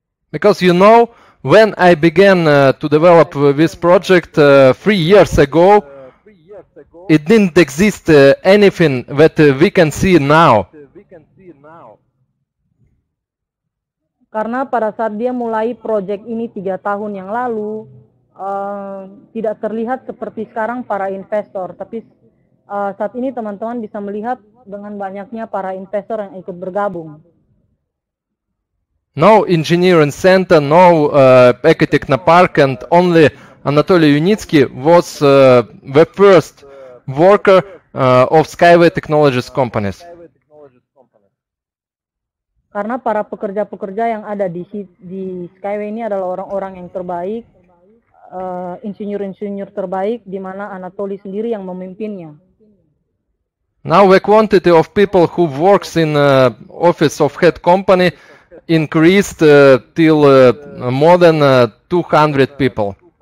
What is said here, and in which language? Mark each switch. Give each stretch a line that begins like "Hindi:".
English: Because you know, when I began to develop this project 3 years ago, it didn't exist anything that we can see now.
Indonesian: Karena pada saat dia mulai proyek ini 3 tahun yang lalu, tidak terlihat seperti sekarang para investor. Tapi saat ini teman-teman bisa melihat dengan banyaknya para investor yang ikut bergabung.
English: No engineering center, no Ekotechnopark, and only Anatoly Yunitsky was the first worker of Skyway Technologies companies.
Indonesian: Karena para pekerja-pekerja yang ada di Skyway ini adalah orang-orang yang terbaik, insinyur-insinyur terbaik, di mana Anatoly sendiri yang memimpinnya.
English: Now the quantity of people who works in office of head company increased till more than 200 people.